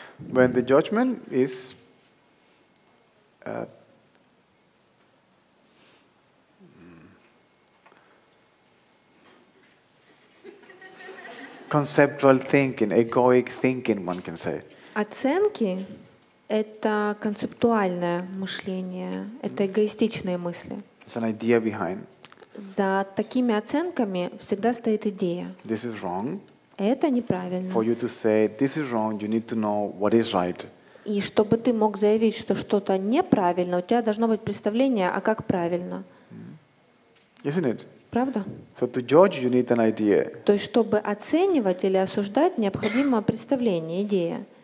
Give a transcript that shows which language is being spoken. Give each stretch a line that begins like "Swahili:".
English: When the judgment is conceptual thinking, egoic thinking, one can say.
Russian: Оценки. Это концептуальное мышление, это эгоистичные мысли.
English: It's an idea behind.
Russian: За такими оценками всегда стоит идея.
English: This is wrong.
Russian: Это неправильно.
English: For you to say this is wrong, you need to know what is right.
Russian: И чтобы ты мог заявить, что что-то неправильно, у тебя должно быть представление, а как правильно.
English: Isn't it?
Russian: Правда?
English: So to judge, you need an idea.
Russian: То есть чтобы оценивать или осуждать, необходимо представление, идея.